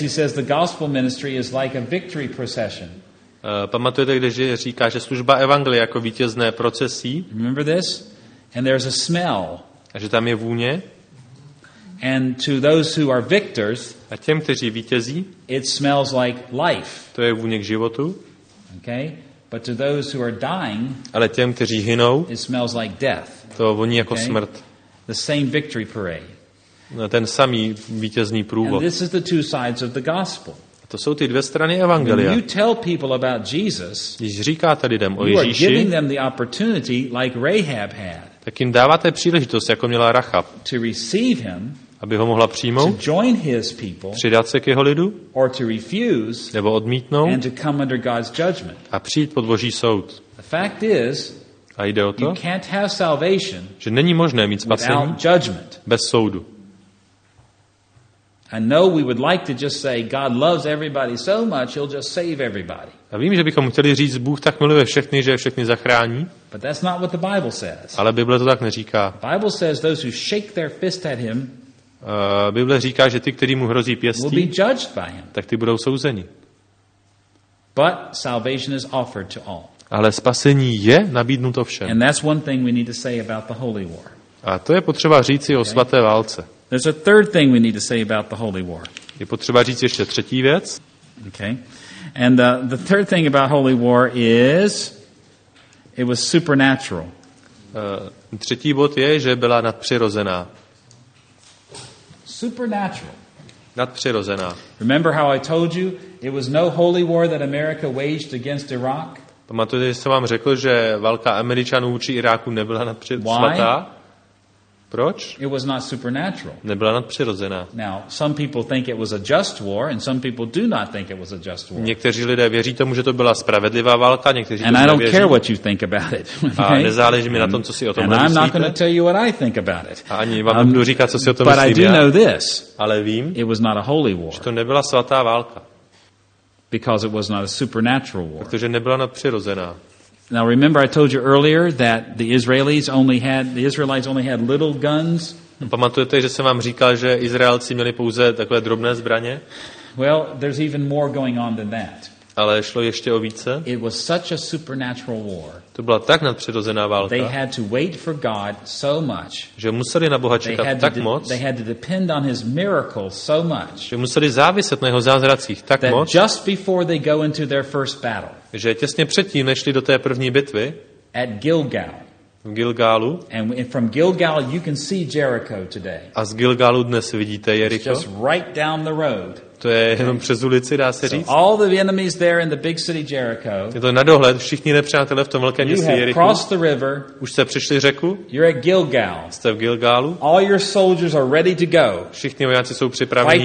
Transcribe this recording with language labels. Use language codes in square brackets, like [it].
[en] He says the gospel ministry is like a victory procession. [cs] Pamatujete, když říká, že služba evangelia jako vítězné procesí? [en] Remember this? And there's a smell. [cs] A že tam je vůně. [en] And to those who are victors, [cs] a těm, kteří vítězí, [en] it smells like life. [cs] To je vůně k životu. [en] Okay? But to those who are dying, [cs] ale těm, kteří hynou, [en] it smells like death. [cs] To voní jako okay? smrt. [en] The same victory parade. [cs] No, ten samý vítězný průvod. [en] And this is the two sides of the gospel. [cs] To jsou ty dvě strany evangelia. [en] When you tell people about Jesus, [cs] když říkáte lidem o [en] you [cs] Ježíši, [en] are giving them the opportunity like Rahab had. [cs] Tak jim dáváte příležitost, jako měla Rachab, [en] to receive him, [cs] aby ho mohla přijmout, [en] to join his people, [cs] přidat se k jeho lidu, [en] or to refuse, [cs] nebo odmítnout, [en] and to come under God's judgment. [cs] A přijít pod Boží soud. [en] The fact is, [cs] a jde o to, [en] you can't have salvation, [cs] že není možné mít spasení bez soudu. [en] I know we would like to just say God loves everybody so much he'll just save everybody. [cs] A vím, že bychom chtěli říct, Bůh tak miluje všechny, že všechny zachrání. [en] But that's not what the Bible says. [cs] Ale Bible to tak neříká. [en] Bible says those who shake their fist at him. [cs] Bible říká, že ti, kteří mu hrozí pěstí, [en] will be judged by him. [cs] Tak ti budou souzeni. [en] But salvation is offered to all. [cs] Ale spasení je nabídnuto všem. [en] And that's one thing we need to say about the holy war. [cs] A to je potřeba říct si o svaté válce. [en] There's a third thing we need to say about the holy war. [cs] Je potřeba říct ještě třetí věc. [en] Okay. And the third thing about holy war is it was supernatural. [cs] Třetí bod je, že byla nadpřirozená. [en] Supernatural. [cs] Nadpřirozená. [en] Remember how I told you it was no holy war that America waged against Iraq? [cs] Pamatujete, že jsem vám řekl, že válka Američanů vůči Iráku nebyla nadpřirozená? Proč? [en] It was not supernatural. [cs] Nebyla nadpřirozená. [en] Now, some people think it was a just war and some people do not think it was a just war. [cs] Někteří lidé věří tomu, že to byla spravedlivá válka, někteří [en] and [cs] tomu [en] I don't [cs] nevěří. [en] Care what you think about it. Okay? [cs] A nezáleží mi na tom, co si o tom myslíte. [en] And I'm not going to tell you what I think about it. [cs] A ani vám nebudu říkat, co si o tom [en] but [cs] myslím. [en] But I do know this. [cs] Ale vím. [en] It was not a holy war. [cs] Že to nebyla svatá válka. [en] Because it was not a supernatural war. [cs] Protože nebyla nadpřirozená. [en] Now remember I told you earlier that the Israelites only had little guns. [cs] Pamatujete, že jsem vám říkal, že Izraelci měli pouze takové drobné zbraně? [en] Well, there's even more going on than that. [cs] Ale šlo ještě o více. [en] It was such a supernatural war. [cs] To byla tak nadpřirozená válka. [en] They had to wait for God so much. [cs] Že museli na Boha čekat tak moc. [en] They had to depend on his miracles so much. [cs] Že museli záviset na jeho zázracích tak moc. [en] Just before they go into their first battle. [cs] Že těsně předtím, než šli do té první bitvy, [en] at Gilgal. [cs] V Gilgalu. [en] And from Gilgal you can see Jericho today. [cs] A z Gilgalu dnes vidíte Jericho. [en] It's just right down the road. [cs] To je jenom přes ulici, dá se říct. [en] So all the enemies there in the big city Jericho. [cs] Je to na dohled, všichni nepřátelé v tom velkém městě Jericho. [en] Crossed the river. [cs] Už jste přišli řeku. [en] You're at Gilgal. [cs] Jste v Gilgalu. [en] All your soldiers are ready to go. [cs] Všichni vojáci jsou připraveni